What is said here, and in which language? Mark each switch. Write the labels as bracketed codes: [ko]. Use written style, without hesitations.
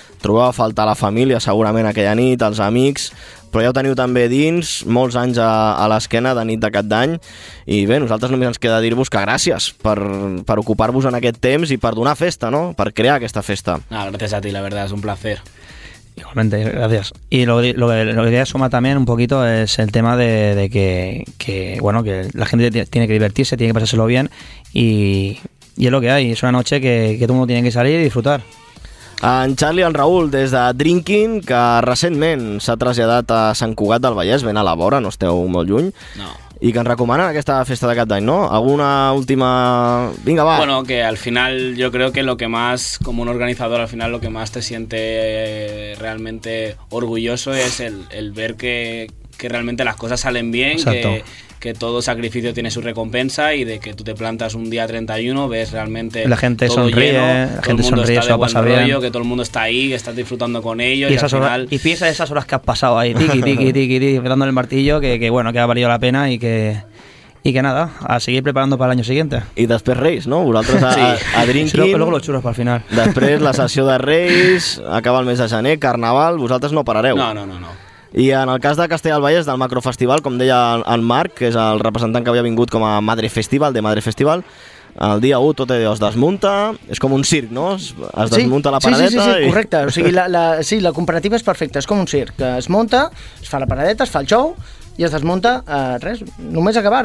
[ca] Trobeu a faltar la família segurament aquella nit, els amics, però ja ho teniu també dins, molts anys a l'esquena de nit de Cap d'Any. I bé, nosaltres només ens queda dir-vos que gràcies per ocupar-vos en aquest temps i per donar festa, no?, per crear aquesta festa. Gràcies [es] a ti, la verdad, és un placer. Igualmente, gracias. Y lo que quería sumar también un poquito es el tema de que la gente tiene que divertirse, tiene que pasárselo bien y es lo que hay, es una noche que todo el mundo tiene que salir y disfrutar. [ca] En Charlie, en Raúl, des de Drinking, que recentment s'ha traslladat a Sant Cugat del Vallès, ben a la vora, no esteu molt lluny. No. [es] Y que nos recomiendan esta fiesta de Cap d'Any, ¿no? ¿Alguna última...? Venga, va. Bueno, que al final yo creo que lo que más, como un organizador, al final lo que más te siente realmente orgulloso es el ver que realmente las cosas salen bien, que todo sacrificio tiene su recompensa y de que tú te plantas un día 31, ves realmente la gente sonríe, lleno, la gente sonríe, eso va a pasar bien. Que todo el mundo está ahí, que estás disfrutando con ellos. Y esas al final... horas, y piensa esas horas que has pasado ahí, tiki, dando el martillo, que bueno, que ha valido la pena y que nada, a seguir preparando para el año siguiente. Y después Reis, ¿no? Vosotros a Drinking. Sí, luego los churros para el final. Después la sesión de Reis, [ca] acaba el mes de gener, [es] carnaval, vosotros [ca] no parareu. [es] No. [ca] I en el cas de Castellà del Vallès, del Macrofestival, com deia en Marc, que és el representant que havia vingut com a Madre Festival, el dia 1 tot allò es desmunta, és com un circ, no? Es desmunta la paradeta... Sí, correcte. O sigui, la comparativa és perfecta, és com un circ. Es munta, es fa la paradeta, es fa el show i es desmunta, res, només acabar.